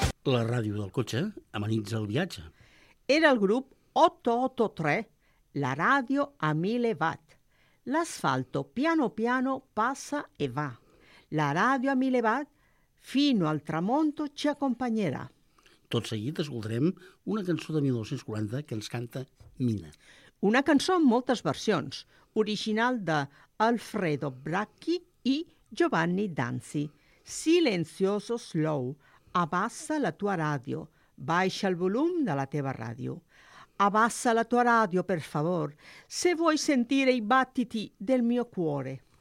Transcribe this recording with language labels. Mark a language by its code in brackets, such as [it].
[ca] La ràdio del cotxe amenitza el viatge. Era el grup 883, la ràdio a 1000 watts. [it] L'asfalto piano piano passa e va. La ràdio a 1000 watts fino al tramonto ci accompagnerà. [ca] Tot seguit escoltarem una cançó de 1940 que ens canta Mina. Una cançó amb moltes versions, original de Alfredo Bracchi i Giovanni Danzi. Silencioso slow. [it] Abassa la tua ràdio, [ca] baixa el volum de la teva ràdio. [it] Abassa la tua ràdio, per favor, se vuoi sentire i battiti del mio cuore.